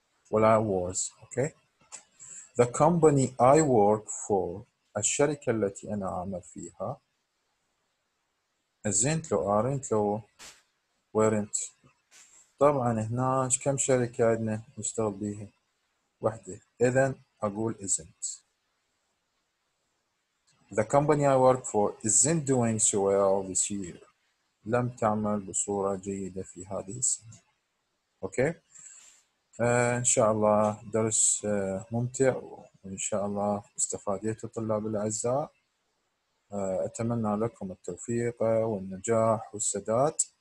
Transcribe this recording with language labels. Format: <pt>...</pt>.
<en>Well, I was, okay. The company I work for,</en> <ar>الشركة التي أنا أعمل فيها,</ar> <en>isn't low, aren't low, weren't.</en> <ar>طبعاً هنا كم شركة عندنا نشتغل بيها؟ واحدة. إذن أقول isn't.</ar> <en>The company I work for isn't doing so well this year.</en> <ar>لم تعمل بصورة جيدة في هذه السنة.</ar> <en>Okay.</en> <ar>إن شاء الله درس ممتع وإن شاء الله استفاديت الطلاب الأعزاء. أتمنى لكم التوفيق والنجاح والسداد.</ar>